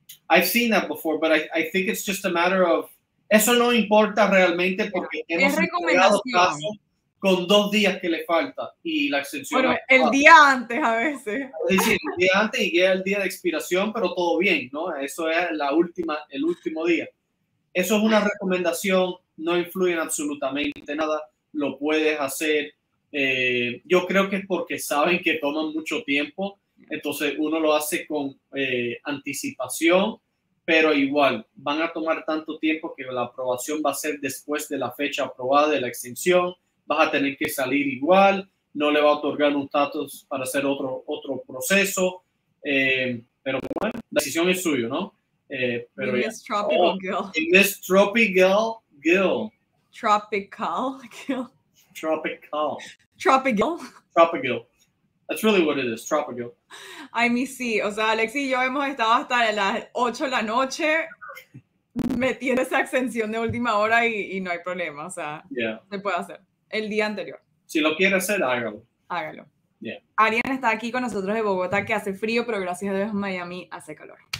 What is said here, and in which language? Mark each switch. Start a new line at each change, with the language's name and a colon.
English: I've seen that before, but I think it's just a matter of...
Spanish: Eso no importa realmente porque hemos entregado casos con 2 días que le falta y la extensión... Bueno, el día antes a veces. Es decir, el día antes y llega el día de expiración, pero todo bien, ¿no? Eso es el último día. Eso es una recomendación, no influye en absolutamente nada. Lo puedes hacer. Yo creo que es porque saben que toman mucho tiempo. Entonces uno lo hace con anticipación, pero igual van a tomar tanto tiempo que la aprobación va a ser después de la fecha aprobada de la extensión. Vas a tener que salir igual, no le va a otorgar un estatus para hacer otro proceso. Pero bueno, la decisión es suya, ¿no? Pero
English: in this tropical girl. In this tropical girl. Tropical girl. Tropical. Tropical. Tropical. That's really what it is, tropical.
Spanish: Ay, mi sí. O sea, Alex y yo hemos estado hasta las 8 de la noche metiendo esa extensión de última hora y no hay problema. O sea,
English: yeah.
Spanish: Se puede hacer. El día anterior. Si lo quiere hacer, hágalo. Hágalo.
English: Yeah.
Spanish: Ariana está aquí con nosotros de Bogotá, que hace frío, pero gracias a Dios Miami hace calor.